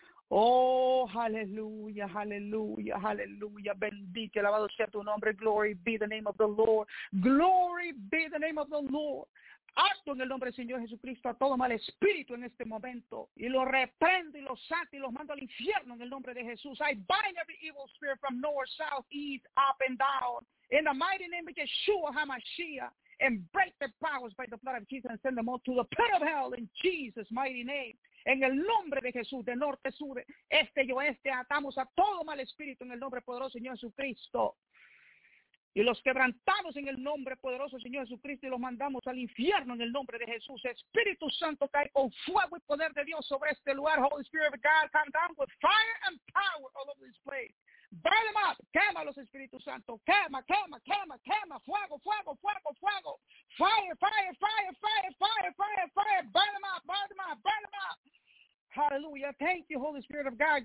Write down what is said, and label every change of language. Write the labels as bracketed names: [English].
[English] Oh, hallelujah, hallelujah, hallelujah. [Spanish] Bendito, alabado sea tu nombre. [English] Glory be the name of the Lord. Glory be the name of the Lord. [Spanish] Acto en el nombre del Señor Jesucristo a todo mal espíritu en este momento. Y lo reprendo y lo saco y los mando al infierno en el nombre de Jesús. [English] I bind every evil spirit from north, south, east, up and down. In the mighty name of Yeshua HaMashiach. And break their powers by the blood of Jesus and send them all to the pit of hell in Jesus' mighty name. [Spanish] En el nombre de Jesús, de norte, sur, este y oeste, atamos a todo mal espíritu en el nombre poderoso Señor Jesucristo. Y los quebrantamos en el nombre poderoso Señor Jesucristo y los mandamos al infierno en el nombre de Jesús. Espíritu Santo, cae con fuego y poder de Dios sobre este lugar. [English] Holy Spirit of God, come down with fire and power all over this place. Burn them up. [Spanish] Quema los Espíritus Santos. Quema, quema, quema, quema. Fuego, fuego, fuego, fuego. [English] Fire, fire, fire, fire, fire, fire, fire. Burn them up, burn them up, burn them up. Hallelujah. Thank you, Holy Spirit of God.